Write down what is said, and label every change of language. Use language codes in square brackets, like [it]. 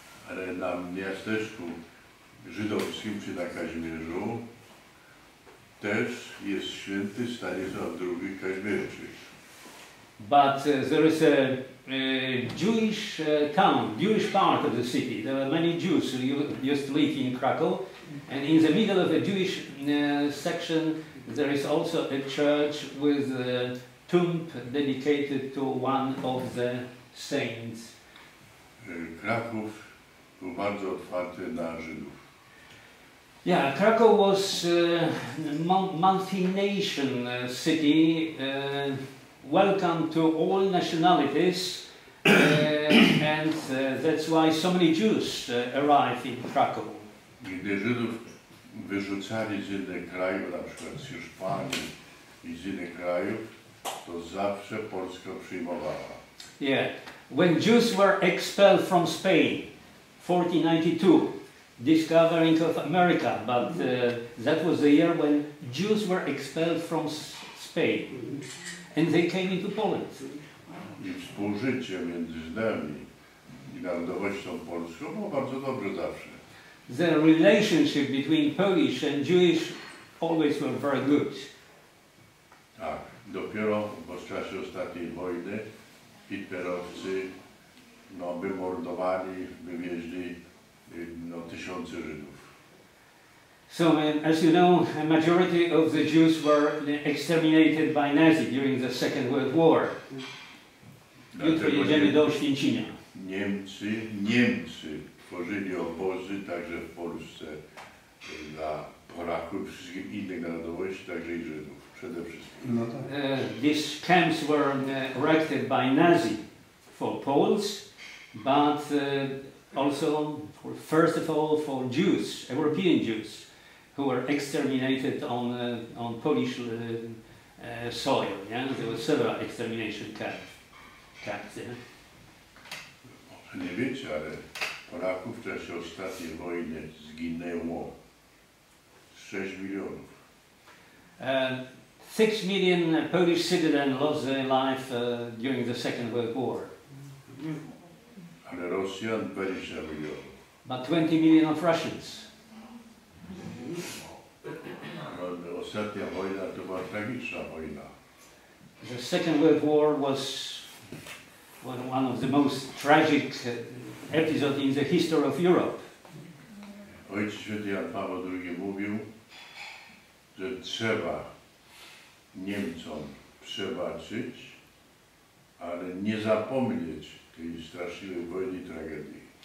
[pl] Ale na miasteczku żydowskim czy na Kazimierzu też jest święty Stanisław II Kazimierczyk. [en] But there is a Jewish town, Jewish part of the city. There are many Jews who used to live in Krakow. And in the middle of the Jewish section, there is also a church with a tomb dedicated to one of the saints. [pl] Kraków był bardzo otwarty na Żydów. [en] Yeah, Krakow was a multi-nation city, welcome to all nationalities, and that's why so many Jews arrived in Krakow. [pl] Gdy Żydów wyrzucali z innych krajów, na przykład z Hiszpanii i z innych krajów, to zawsze Polska przyjmowała. [en] Yeah, when Jews were expelled from Spain, 1492, discovering of America, but that was the year when Jews were expelled from Spain, and they came into Poland. [pl] I współżycie między Żydami i narodowością polską było bardzo dobre zawsze. [en] The relationship between Polish and Jewish always were very good. [pl] Tak, dopiero w czasie ostatniej wojny Hitlerowcy wymordowali, wywieźli tysiące Żydów. [en] So, as you know, a majority of the Jews were exterminated by Nazi during the Second World War. [pl] Jedziemy do Oświęcimia. Niemcy tworzyli obozy także w Polsce dla Polaków i wszystkich innych narodowości, także i Żydów przede wszystkim. No tak. [en] These camps were erected by Nazi for Poles, but also for, first of all for Jews, European Jews, who were exterminated on Polish soil. Yeah? There were several extermination camps. Yeah? [pl] Nie wiecie, ale Polaków w czasie ostatniej wojny zginęło 6 milionów. [en] 6 million Polish citizens lost their life during the Second World War. [pl] Ale Rosjan 20 milionów. [en] But 20 million of Russians. [pl] Ostatnia wojna to była tragiczna wojna. [en] The Second World War was one of the most tragic episode in the history of Europe. [pl] Ojciec Święty Jan Paweł II mówił, że trzeba Niemcom przebaczyć, ale nie zapomnieć tej straszliwej wojny i tragedii.